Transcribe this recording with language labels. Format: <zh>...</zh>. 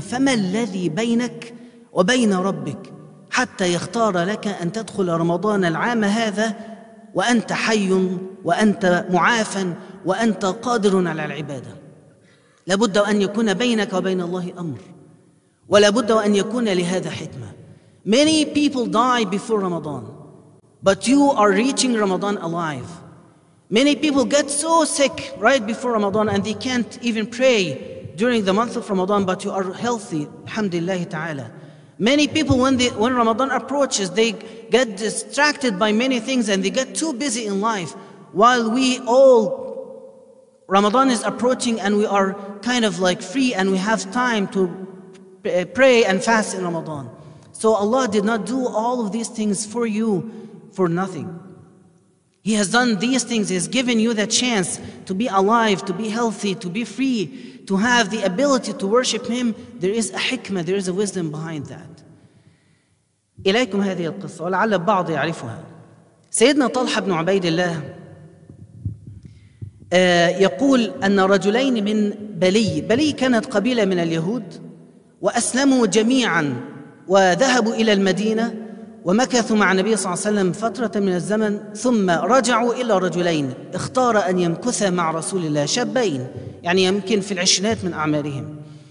<ar>فما الذي بينك وبين ربك حتى يختار لك أن تدخل رمضان العام هذا وأنت حي وأنت معافا وأنت قادر على العبادة؟ لابد أن يكون بينك وبين الله أمر، ولابد أن يكون لهذا حكمة.</ar> <en>Many people die before Ramadan, but you are reaching Ramadan alive. Many people get so sick right before Ramadan and they can't even pray during the month of Ramadan, but you are healthy, alhamdulillah ta'ala. Many people, when Ramadan approaches, they get distracted by many things and they get too busy in life. While we all, Ramadan is approaching and we are kind of like free and we have time to pray and fast in Ramadan. So Allah did not do all of these things for you for nothing. He has done these things, He has given you the chance to be alive, to be healthy, to be free, to have the ability to worship Him. There is a hikmah, there is a wisdom behind that.</en> <ar>إليكم هذه القصة ولعل بعض يعرفها. سيدنا طلحة بن عبيد الله يقول أن رجلين من بلي، بلي كانت قبيلة من اليهود، وأسلموا جميعا وذهبوا إلى المدينة ومكثوا مع النبي صلى الله عليه وسلم فترة من الزمن، ثم رجعوا إلى رجلين اختار أن يمكثا مع رسول الله، شابين يعني يمكن في العشرينات من أعمارهم.</ar>